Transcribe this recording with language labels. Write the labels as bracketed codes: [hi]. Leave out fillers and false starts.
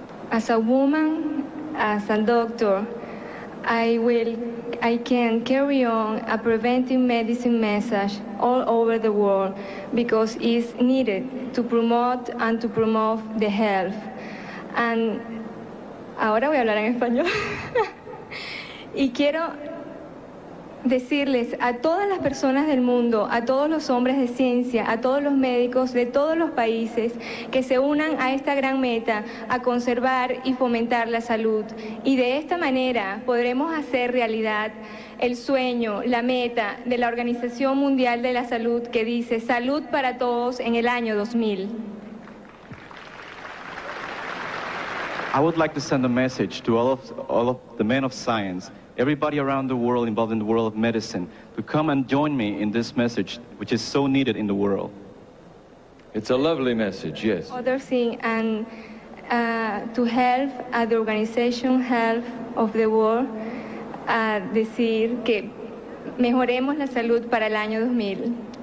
[en] As a woman, as a doctor, I can carry on a preventive medicine message all over the world because it's needed to promote and to promote the health. [es] And ahora voy a hablar en español. Y quiero decirles a todas las personas del mundo, a todos los hombres de ciencia, a todos los médicos de todos los países que se unan a esta gran meta, a conservar y fomentar la salud. Y de esta manera podremos hacer realidad el sueño, la meta de la Organización Mundial de la Salud que dice salud para todos en el año 2000. [en] I would like to send a message to all of the men of science, everybody around the world involved in the world of medicine, to come and join me in this message, which is so needed in the world. It's a lovely message, yes. Other thing, and to help the organization, health of the world, [es] decir que mejoremos la salud para el año 2000.